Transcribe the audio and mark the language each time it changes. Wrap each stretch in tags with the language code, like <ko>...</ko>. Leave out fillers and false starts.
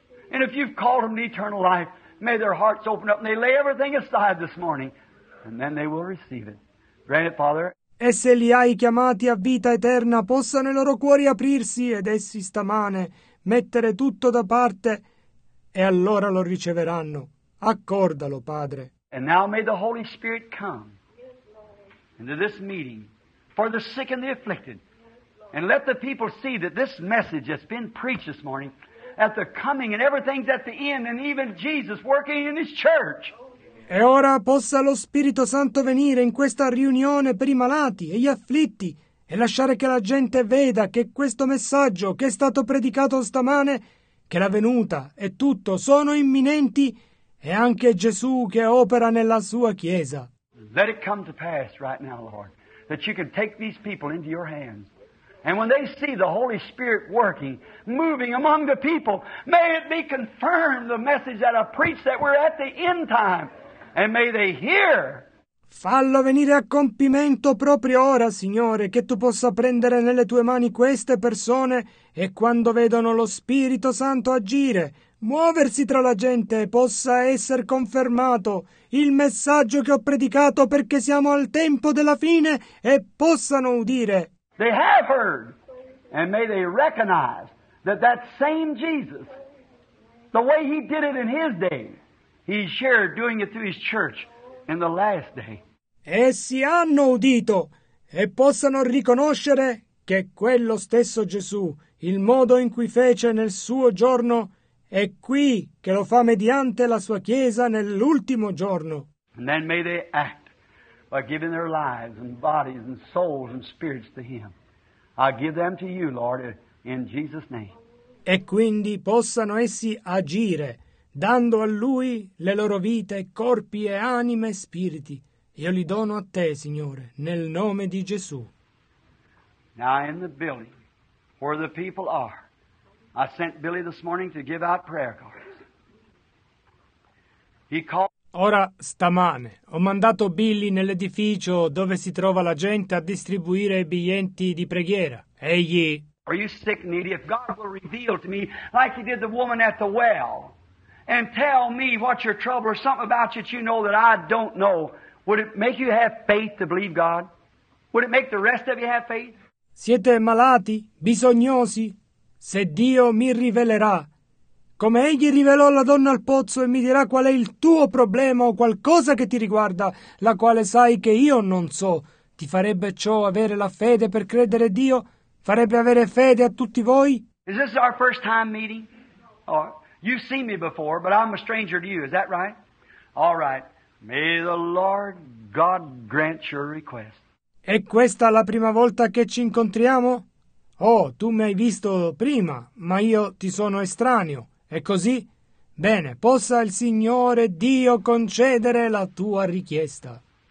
<en>And if you've called them to eternal life, may their hearts open up and they lay everything aside this morning, and then they will receive it. Grant it, Father.</en> <it>E se li hai chiamati a vita eterna, possano i loro cuori aprirsi ed essi stamane mettere tutto da parte e allora lo riceveranno. Accordalo, Padre.</it> <en>And now may the Holy Spirit come into this meeting for the sick and the afflicted. And let the people see that this message that's been preached this morning, at the coming and everything's at the end, and even Jesus working in His church.</en> <it>E ora possa lo Spirito Santo venire in questa riunione per i malati e gli afflitti e lasciare che la gente veda che questo messaggio che è stato predicato stamane, che la venuta e tutto sono imminenti, e anche Gesù che opera nella sua Chiesa.</it> <en>Let it come to pass right now, Lord, that you can take these people into your hands. And when they see the Holy Spirit working, moving among the people, may it be confirmed, the message that I preach, that we're at the end time. And may they hear.</en> <it>Fallo venire a compimento proprio ora, Signore, che tu possa prendere nelle tue mani queste persone e quando vedono lo Spirito Santo agire, muoversi tra la gente, possa essere confermato il messaggio che ho predicato perché siamo al tempo della fine e possano udire.</it> <en>They have heard, and may they recognize that that same Jesus, the way he did it in his day, he's sure doing it through his church in the last day.</en> <it>Essi hanno udito e possano riconoscere che quello stesso Gesù, il modo in cui fece nel suo giorno, è qui che lo fa mediante la sua Chiesa nell'ultimo giorno.</it> <en>And then may they act by giving their lives and bodies and souls and spirits to him. I give them to you, Lord, in Jesus' name.</en> <it>E quindi possano essi agire, dando a Lui le loro vite, corpi e anime e spiriti. Io li dono a Te, Signore, nel nome di Gesù.</it> <en>Now in the building, where the people are, I sent Billy this morning to give out prayer cards. He called...</en> <it>Ora, stamane, ho mandato Billy nell'edificio dove si trova la gente a distribuire i biglietti di preghiera. Egli...</it> <en>Are you sick, needy? If God will reveal to me, like He did the woman at the well, and tell me what your trouble or something about you that you know that I don't know, would it make you have faith to believe God? Would it make the rest of you have faith?</en> <it>Siete malati, bisognosi? Se Dio mi rivelerà, come Egli rivelò la donna al pozzo e mi dirà qual è il tuo problema o qualcosa che ti riguarda, la quale sai che io non so, ti farebbe ciò avere la fede per credere a Dio? Farebbe avere fede a tutti voi?</it> <en>Is this our first time meeting? Oh, you've seen me before, but I'm a stranger to you, is that right? All right, may the Lord God grant your request.</en> <it>È questa la prima volta che ci incontriamo? Oh, tu mi hai visto prima, ma io ti sono estraneo. È così? Bene, possa il Signore Dio concedere la tua richiesta.</it>